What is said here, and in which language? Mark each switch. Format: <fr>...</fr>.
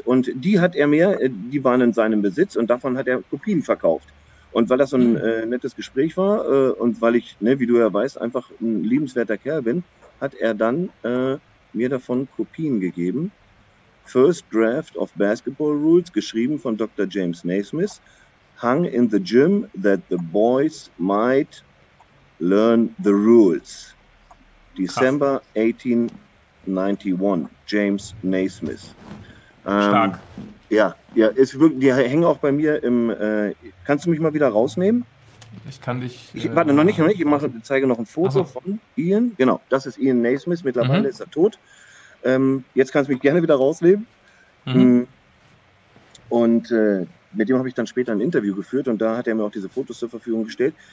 <de>Und die hat er mir, die waren in seinem Besitz, und davon hat er Kopien verkauft. Und weil das so ein nettes Gespräch war und weil ich, ne, wie du ja weißt, einfach ein liebenswerter Kerl bin, hat er dann mir davon Kopien gegeben.</de> <en>First Draft of Basketball Rules,</en> <de>geschrieben von Dr.</de> <en>James Naismith, hung in the gym that the boys might learn the rules. December 1891, James Naismith.</en> <de>Stark. Ja, ja, es wirklich, die hängen auch bei mir im. Kannst du mich mal wieder rausnehmen? Ich kann dich. Warte, noch nicht. Ich zeige noch ein Foto von Ian. Genau, das ist Ian Naismith. Mittlerweile ist er tot. Jetzt kannst du mich gerne wieder rausnehmen. Und mit dem habe ich dann später ein Interview geführt und da hat er mir auch diese Fotos zur Verfügung gestellt.</de>